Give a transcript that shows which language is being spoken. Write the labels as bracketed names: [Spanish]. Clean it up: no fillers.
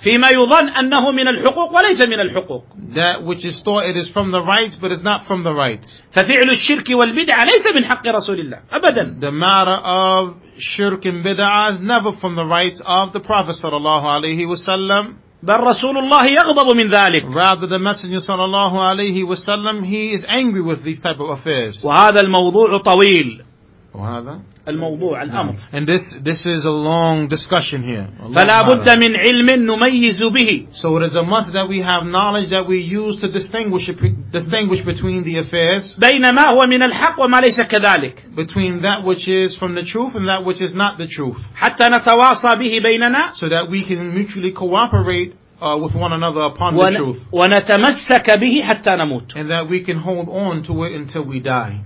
[Arabic] فيما يظن أنه من الحقوق وليس من الحقوق. [English] That which is thought it is from the rights but it's not from the rights. [Arabic] ففعل الشرك والبدعة ليس من حق رسول الله أبدا. [English] The matter of shirk and bid'ah is never from the rights of the Prophet [Arabic] صلى الله عليه وسلم. بل رسول الله يغضب من ذلك. [English] Rather the Messenger [Arabic] صلى الله عليه وسلم [English] he is angry with these type of affairs. [Arabic] وهذا الموضوع طويل. وهذا الموضوع الأمر. [English] And this is a long discussion here. [Arabic] فلا بد من علم نميز به. [English] So it is a must that we have knowledge that we use to distinguish between the affairs. [Arabic] بين ما هو من الحق وما ليس كذلك. [English] Between that which is from the truth and that which is not the truth. [Arabic] حتى نتواصى به بيننا. [English] So that we can mutually cooperate with one another upon the truth. [Arabic] ونتمسك به حتى نموت. [English] And that we can hold on to it until we die.